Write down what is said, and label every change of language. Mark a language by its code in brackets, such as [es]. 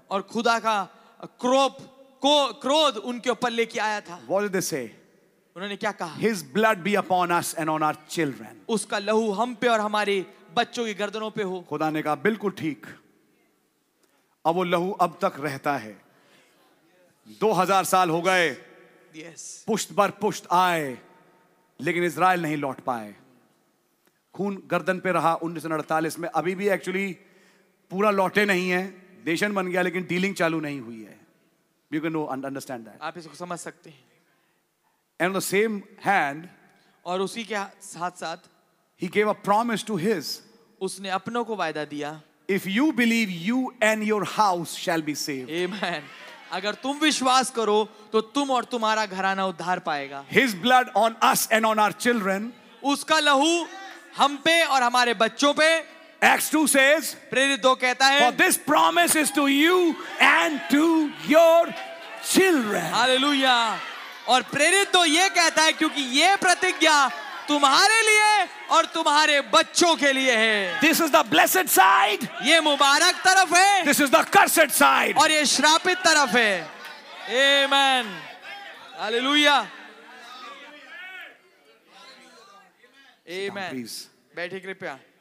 [hi] और खुदा का क्रोध को क्रोध उनके ऊपर लेके आया था [en] what did they say [hi] उन्होंने क्या कहा [en] his blood be upon us and on our children [hi] उसका लहू हम पे और हमारे बच्चों की गर्दनों पे हो खुदा ने कहा बिल्कुल ठीक अब वो लहू अब तक रहता है 2000 साल हो गए [en] yes [hi] पुश्त बर पुश्त आए लेकिन इज़राइल नहीं लौट पाए खून गर्दन पे रहा 1948 में अभी भी एक्चुअली पूरा लौटे नहीं है नेशन बन गया लेकिन डीलिंग चालू नहीं हुई है [en] you can know understand that [hi] आप इसको समझ सकते हैं [en] and the same hand [hi] और उसी के साथ साथ [en] ही gave a promise to his [hi] उसने अपनों को वायदा दिया [en] if you believe you and your house shall be saved [hi] आमेन अगर तुम विश्वास करो तो तुम और तुम्हारा घराना उद्धार पाएगा [en] his blood on us and on our children [hi] उसका लहू हम पे और हमारे बच्चों पे [en] Acts 2 says [hi] प्रेरित दो कहता है [en] For this promise is to you and to your children [hi] hallelujah और प्रेरित दो ये कहता है क्योंकि ये प्रतिज्ञा तुम्हारे लिए और तुम्हारे बच्चों के लिए है [en] this is the blessed side [hi] ये मुबारक तरफ है [en] this is the cursed side [hi] और ये श्रापित तरफ है आमेन हालेलुया आमेन बैठिए कृपया